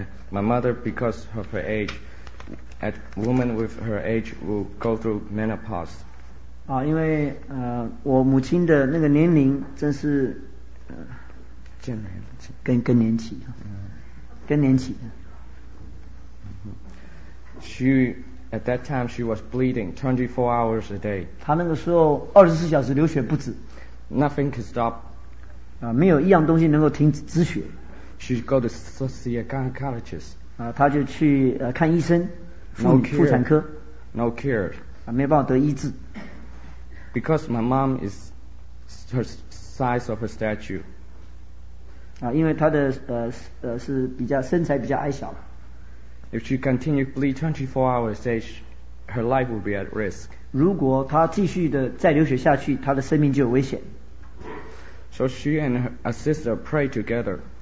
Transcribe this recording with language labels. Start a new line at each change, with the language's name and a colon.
English: My mother, because of her age, a woman with her age will go through menopause.
Chinese: 因为我母亲的那个年龄真是更年期。
English: She at that time she was bleeding 24 hours a day.
Chinese: 她那个时候24小时流血不止。
English: Nothing could stop.
Chinese: 没有一样东西能够停止止血。
English: She go to see a gynecologist.
Chinese: 她就去看医生，妇产科。
English: No cure.
Chinese: 没有办法得医治。
English: Because my mom is her size of a statue.
Chinese: 因为她的是比较身材比较矮小。
English: If she continue bleed 24 hours a day, her life will be at risk.
Chinese: 如果她继续的再流血下去，她的生命就有危险。
English: So she and her sister pray together.